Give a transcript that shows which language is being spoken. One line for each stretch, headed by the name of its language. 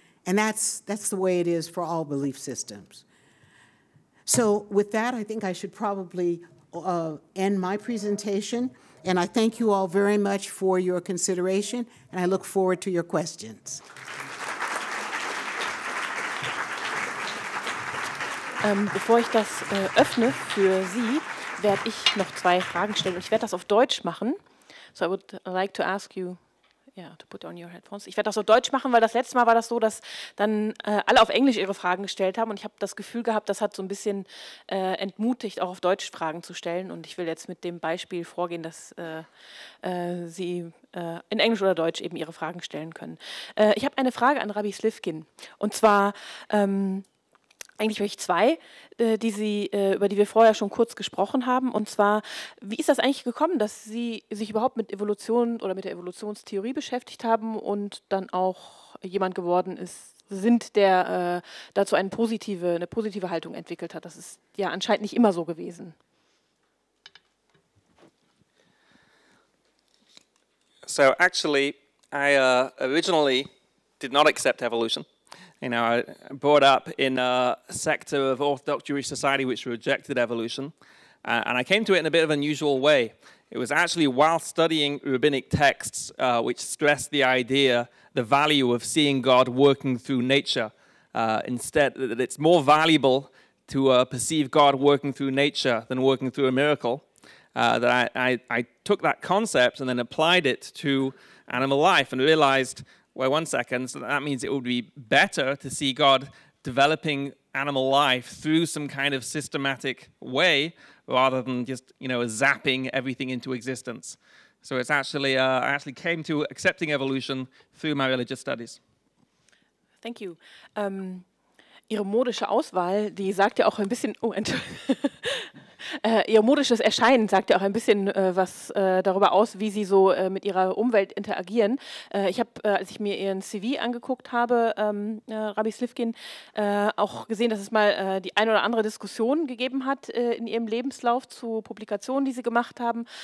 English: And that's the way it is for all belief systems. So with that, I think I should probably end my presentation. And I thank you all very much for your consideration. And I look forward to your questions.
German: Bevor ich das öffne für Sie, werde ich noch zwei Fragen stellen. Ich werde das auf Deutsch machen.
English: So I would like to ask you, to put on your headphones.
German: Ich werde das auf Deutsch machen, weil das letzte Mal war das so, dass dann alle auf Englisch ihre Fragen gestellt haben. Und ich habe das Gefühl gehabt, das hat so ein bisschen entmutigt, auch auf Deutsch Fragen zu stellen. Und ich will jetzt mit dem Beispiel vorgehen, dass Sie in Englisch oder Deutsch eben Ihre Fragen stellen können. Ich habe eine Frage an Rabbi Slifkin. Und zwar eigentlich habe ich zwei, über die wir vorher schon kurz gesprochen haben. Und zwar, wie ist das eigentlich gekommen, dass Sie sich überhaupt mit Evolution oder mit der Evolutionstheorie beschäftigt haben und dann auch jemand geworden ist, der dazu eine positive Haltung entwickelt hat? Das ist ja anscheinend nicht immer so gewesen.
English: So actually, I originally did not accept evolution. You know, I brought up in a sector of Orthodox Jewish society which rejected evolution. And I came to it in a bit of an unusual way. It was actually while studying rabbinic texts which stressed the idea, the value of seeing God working through nature. Instead, that it's more valuable to perceive God working through nature than working through a miracle. That I took that concept and then applied it to animal life and realized, well, one second, so that means it would be better to see God developing animal life through some kind of systematic way rather than just, you know, zapping everything into existence. So it's actually, I actually came to accepting evolution through my religious studies. Thank you.
German: Ihre modische Auswahl, die sagt ja auch ein bisschen, Ihr modisches Erscheinen sagt ja auch ein bisschen was darüber aus, wie Sie so mit Ihrer Umwelt interagieren. Ich habe, als ich mir Ihren CV angeguckt habe, Rabbi Slifkin, auch gesehen, dass es mal die ein oder andere Diskussion gegeben hat in Ihrem Lebenslauf zu Publikationen, die Sie gemacht haben.